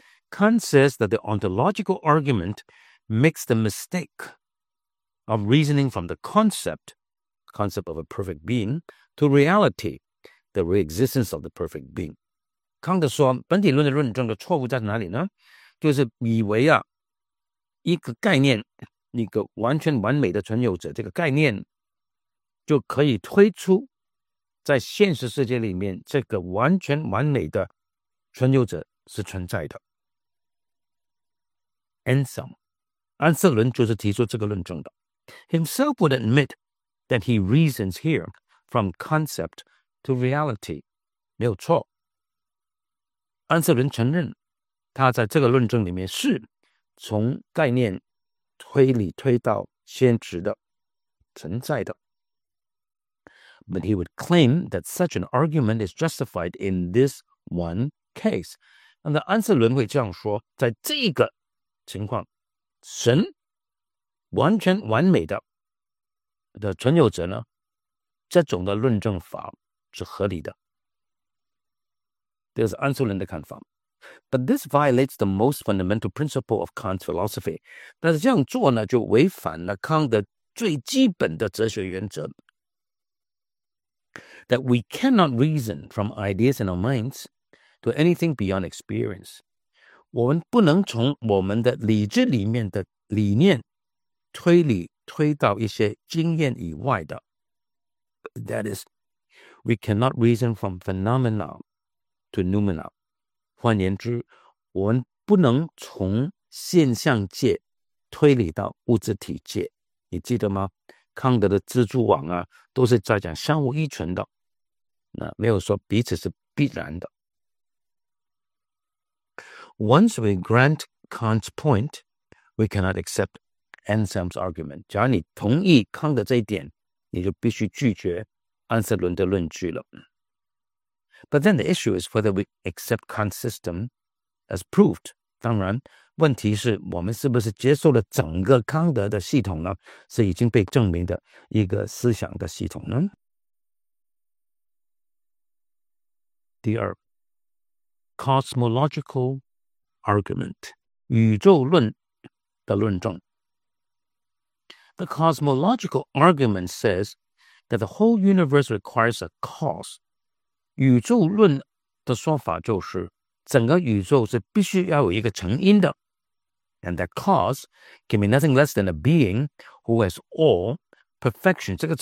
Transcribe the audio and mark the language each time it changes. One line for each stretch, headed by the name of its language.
English: Kant says that the ontological argument makes the mistake of reasoning from the concept of a perfect being, to reality,the re-existence of the perfect being.
Chinese: 康德说本体论的论证的错误在哪里呢？就是以为啊，一个概念，一个完全完美的存有者，这个概念就可以推出在现实世界里面这个完全完美的存有者是存在的。
English: Anselm,
Chinese: 安瑟伦就是提出这个论证的。
English: Himself would admit that he reasons here from concept to reality,
Chinese: 没有错。安瑟伦承认他在这个论证里面是从概念推理推到现实的存在的。
English: But he would claim that such an argument is justified in this one case.
Chinese: 那么安瑟伦会这样说，在这个情况，神完全完美的存有者呢，这种的论证法是合理的。这是安瑟伦的看法。
English: But this violates the most fundamental principle of Kant's philosophy.
Chinese: 但是这样做呢，就违反了康德最基本的哲学原则。
English: That we cannot reason from ideas in our minds to anything beyond experience.
Chinese: 我们不能从我们的理智里面的理念推理推到一些经验以外的。
English: That is,We cannot reason from phenomena to noumena.
Chinese: 换言之，我们不能从现象界推理到物质体界。你记得吗？康德的蜘蛛网啊，都是在讲相互依存的，那没有说彼此是必然的。
English: Once we grant Kant's point, we cannot accept Anselm's argument.
Chinese: 假如你同意康德这一点，你就必须拒绝 answer 轮的论据了.
English: But then the issue is whether we accept Kant's system as proved.
Chinese: 当然,问题是我们是不是接受了整个康德的系统呢? 是已经被证明的一个思想的系统呢? 第二,
English: cosmological argument,
Chinese: 宇宙论的论证.
English: The cosmological argument says that the whole universe requires a cause.
Chinese: 宇宙论的说法就是, 整个宇宙是必须要有一个成因的,
English: and that cause can be nothing less than a being who has all perfection.